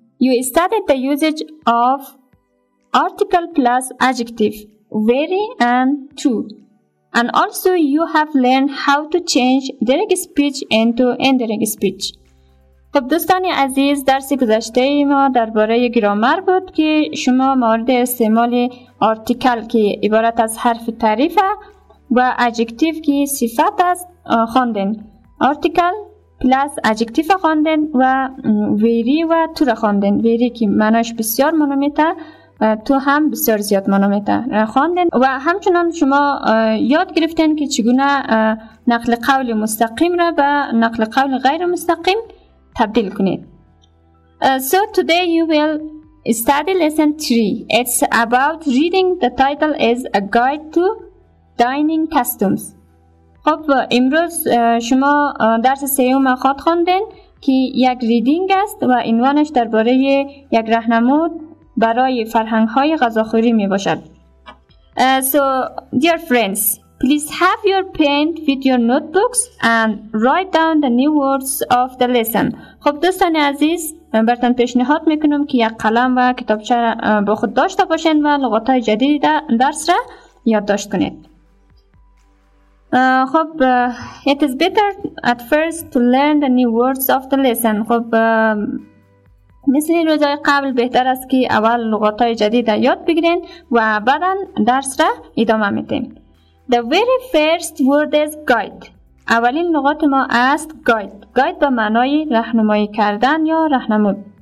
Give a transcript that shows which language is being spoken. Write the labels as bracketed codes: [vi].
[en] You studied the usage of article plus adjective, very and true. And also you have learned how to change direct speech into indirect speech. [fa] خب دوستان عزیز، درس گذشته ای ما درباره گرامر بود که شما مورد استعمال آرتیکل که عبارت از حرف تعریف و ادجکتیو که صفت است خواندین. آرتیکل پلاس ادجکتیو خواندین و ویری و تو را خواندین. ویری که معناش بسیار مانومیته و تو هم بسیار زیاد مانومیته خواندین و همچنان شما یاد گرفتین که چگونه نقل قول مستقیم را به نقل قول غیر مستقیم تبدیل کنید. [en] So today you will study lesson 3. It's about reading. The title is A Guide to Dining Customs. [fa] خب امروز شما درس سوم خود خواندین که یک ریدینگ است و عنوانش درباره یک راهنمود برای فرهنگ‌های غذاخوری میباشد. [en] So dear friends, please have your pen with your notebooks and write down the new words of the lesson. [fa] خب دوستان عزیز، برتان پیشنهاد میکنم که یک قلم و کتابچه با خود داشته باشین و لغات‌های جدید درس را یادداشت کنید. [en] خب it is better at first to learn the new words of the lesson. [fa] خب مثل روزهای قبل بهتر است که اول لغات‌های جدید را یاد بگیرین و بعدا درس را ادامه میدیم. [en] The very first word is guide. [fa] اولین لغت ما است [en] guide. [fa] Guide به معنای راهنمایی کردن یا راهنمود.